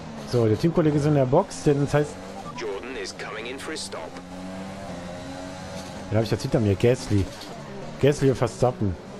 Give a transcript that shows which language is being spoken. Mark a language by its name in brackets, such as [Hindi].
[German] So, der Teamkollege ist in der Box, denn das heißt. [English] Jordan is coming in for a stop. [German] Den habe ich jetzt hinter mir. Gasly. Gasly will fast stoppen.